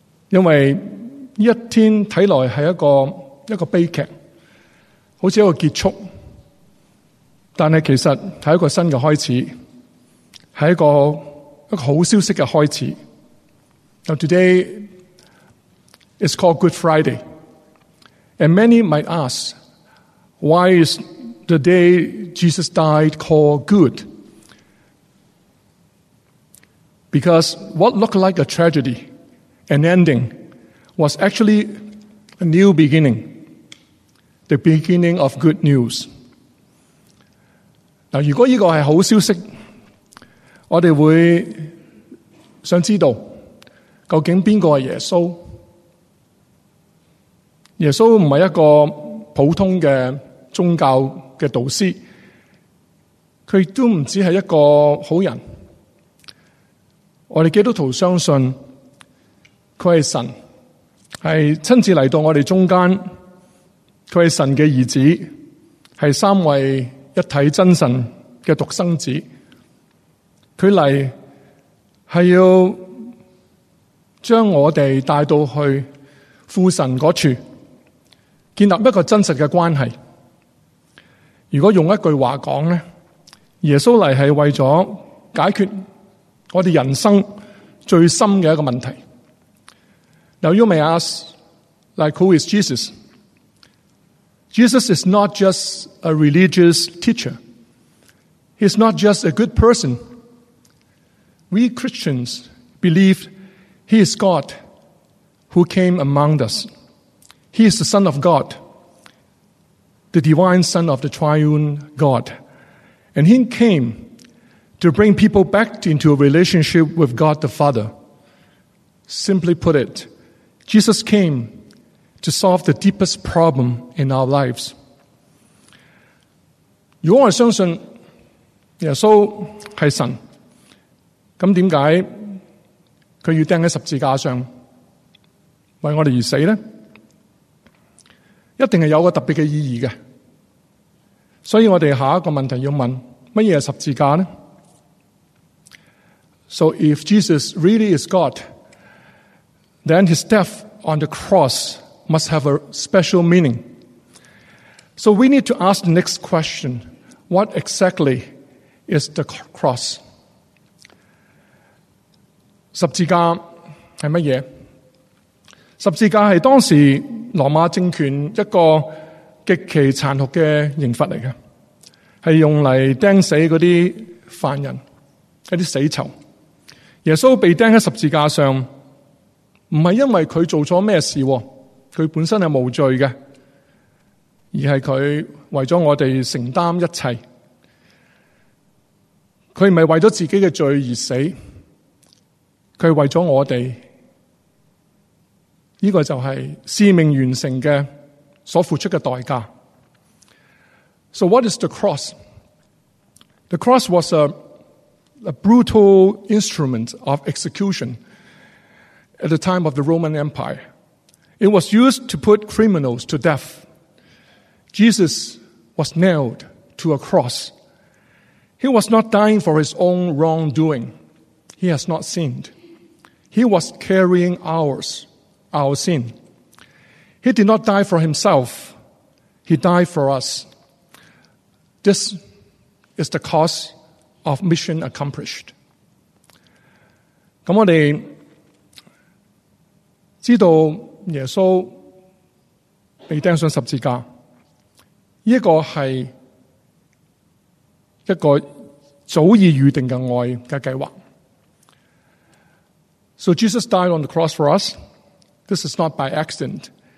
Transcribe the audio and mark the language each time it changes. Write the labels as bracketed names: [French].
[Chinese] 因为这一天看来是一个悲剧，好像一个结束，但是其实是一个新的开始，是一个好消息的开始。 [English] Now today is called Good Friday, and many might ask, why is the day Jesus died called good? Because what looked like a tragedy, an ending, was actually a new beginning, the beginning of good news. [Chinese] Now, 如果这个是好消息，我们会想知道究竟谁是耶稣。耶稣不是一个普通的宗教的导师，他也不只是一个好人。我们基督徒相信他是神，是亲自来到我们中间，他是神的儿子，是三位一体真神的独生子。他来是要将我们带到去父神那处，建立一个真实的关系。如果用一句话讲，耶稣来是为了解决我们人生最深的一个问题。 [English] Now you may ask, like, who is Jesus? Jesus is not just a religious teacher. He's not just a good person. We Christians believe he is God who came among us. He is the Son of God, the divine Son of the triune God. And he came to bring people back into a relationship with God the Father. Simply put it, Jesus came to solve the deepest problem in our lives. [Chinese] 如果我相信耶稣是神，那为什么他要钉在十字架上为我们而死呢？一定是有个特别的意义的。所以我们下一个问题要问，什么是十字架呢？ [English] So if Jesus really is God, then his death on the cross must have a special meaning. So we need to ask the next question, what exactly is the cross? [Chinese] 十字架是什么？十字架是当时罗马政权一个极其残酷的刑罚来的，是用来钉死那些犯人，一些死囚。耶稣被钉在十字架上，不是因为他做了什么事，他本身是无罪的，而是他为了我们承担一切。他不是为了自己的罪而死，他是为了我们。这个就是使命完成的所付出的代价。 [English] So what is the cross? The cross was a brutal instrument of execution at the time of the Roman Empire. It was used to put criminals to death. Jesus was nailed to a cross. He was not dying for his own wrongdoing. He has not sinned. He was carrying our sin. He did not die for himself. He died for us. This is the cause of mission accomplished. [Chinese] 我们知道耶稣被钉上十字架，这个是一个早已预定的爱的计划。 [English] So Jesus died on the cross for us. This is not by accident.